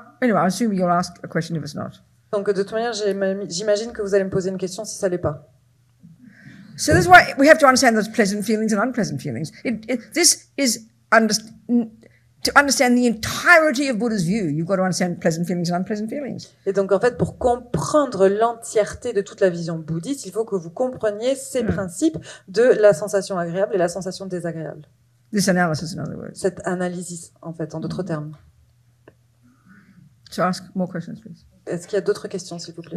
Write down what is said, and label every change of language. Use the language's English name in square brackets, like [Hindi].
[English] Anyway, I assume you'll ask a question if it's not. [French] Donc, de toute manière, j'imagine que vous allez me poser une question si ça l'est pas. [English] So this is why we have to understand those pleasant feelings and unpleasant feelings. To understand the entirety of Buddha's view, you've got to understand pleasant feelings and unpleasant feelings. [French] Et donc en fait, pour comprendre l'entièreté de toute la vision bouddhiste, il faut que vous compreniez ces principes de la sensation agréable et la sensation désagréable. [English] This analysis, in other words. [French] Cette analyse, en fait, en d'autres termes. [English] So ask more questions, please. [French] Est-ce qu'il y a d'autres questions, s'il vous plaît?